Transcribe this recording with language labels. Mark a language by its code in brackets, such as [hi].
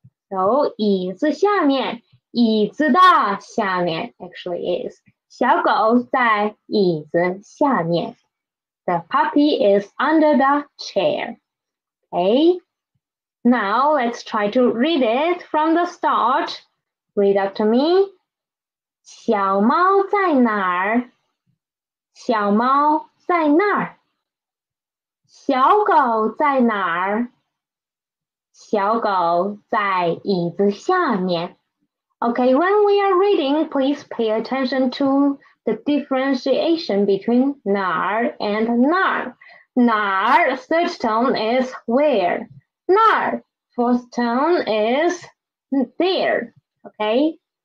[zh] So, 椅子下面, 椅子的下面 [en] actually is. [zh] 小狗在椅子下面. [en] The puppy is under the chair. Okay. Now, let's try to read it from the start. Read up to me. [zh] 小猫在哪儿? 小猫在那儿，小狗在哪儿？小狗在椅子下面。 [en] Okay, when we are reading, please pay attention to the differentiation between 哪儿 and 哪儿。哪儿 third tone is where. 哪儿 fourth tone is there. Okay.